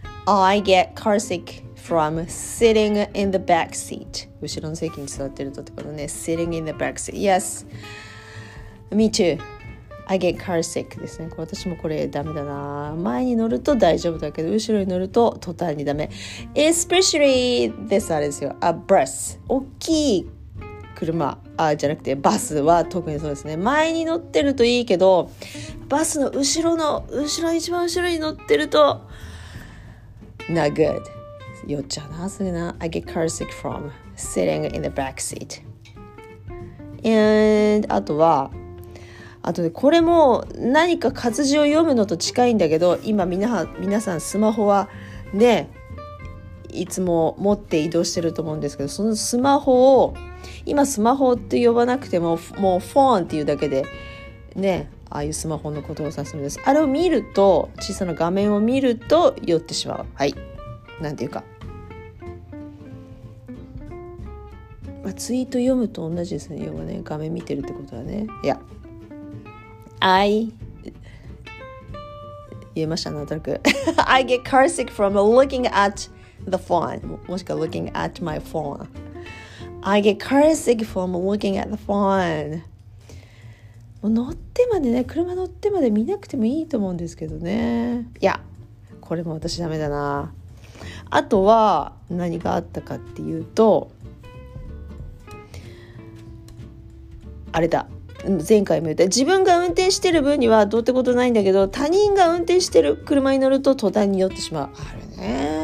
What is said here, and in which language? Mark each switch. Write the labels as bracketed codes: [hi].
[en] I get car sick from sitting in the back seat. [ja] 後ろの席に座ってるとってことね。 [en] Sitting in the back seat. Yes. Me too. I get car sick [ja] ですね。私もこれダメだな。前に乗ると大丈夫だけど、後ろに乗ると途端にダメ。 [en] Especially this, [ja] あれですよ。 [en] A bus. [ja] 大きい車、じゃなくてバスは特にそうですね。前に乗ってるといいけど、バスの後ろの後ろ、一番後ろに乗ってると [en] Not good. [ja] 酔っちゃうな、それな。 [en] I get car sick from sitting in the back seat. And [ja] あとはあとね、これも何か活字を読むのと近いんだけど、今皆さんスマホはね、いつも持って移動してると思うんですけど、そのスマホを、今スマホって呼ばなくても、もうフォンっていうだけでね、ああいうスマホのことを指すんです。あれを見ると、小さな画面を見ると酔ってしまう。はい、なんていうか、まあ、ツイート読むと同じですね。要はね、画面見てるってことはね。いや、I 言えました、なんとなく。 [en] I get car sick from looking at the phone. [ja] もしくは [en] looking at my phone. I get car sick from looking at the phone. [ja] もう乗ってまでね、車乗ってまで見なくてもいいと思うんですけどね。いや、これも私ダメだな。あとは何があったかっていうと、あれだ、前回も言った、自分が運転してる分にはどうってことないんだけど、他人が運転してる車に乗ると途端に酔ってしまう。あるね。